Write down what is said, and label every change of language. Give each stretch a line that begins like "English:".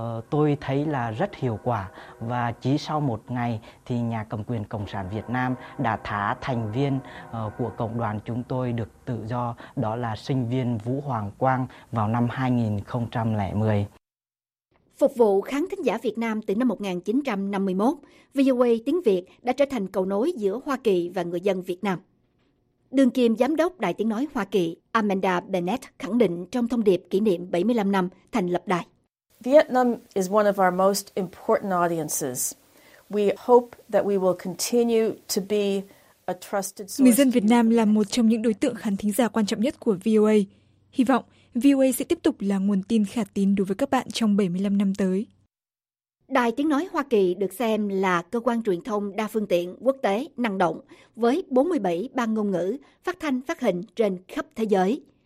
Vietnamese: Tôi thấy là rất hiệu quả và chỉ sau một ngày thì nhà cầm quyền Cộng sản Việt Nam đã thả thành viên của cộng đoàn chúng tôi được tự do, đó là sinh viên Vũ Hoàng Quang vào năm 2010. Phục vụ khán thính giả Việt Nam từ năm 1951, VOA tiếng Việt đã trở thành cầu nối giữa Hoa Kỳ và người dân Việt Nam. Đương kim Giám đốc Đài Tiếng Nói Hoa Kỳ Amanda Bennett khẳng định trong thông điệp kỷ niệm 75 năm thành lập đài.
English: Vietnam is one of our most important audiences. We hope that we will continue to be a trusted source.
Vietnamese: Người dân Việt Nam là một trong những đối tượng khán thính giả quan trọng nhất của VOA. Hy vọng VOA sẽ tiếp tục là nguồn tin khả tín đối với các bạn trong 75 năm tới. Đài Tiếng Nói Hoa Kỳ được xem là cơ quan truyền thông đa phương tiện, quốc tế, năng động, với 47 ban ngôn ngữ, phát thanh, phát hình trên khắp thế giới.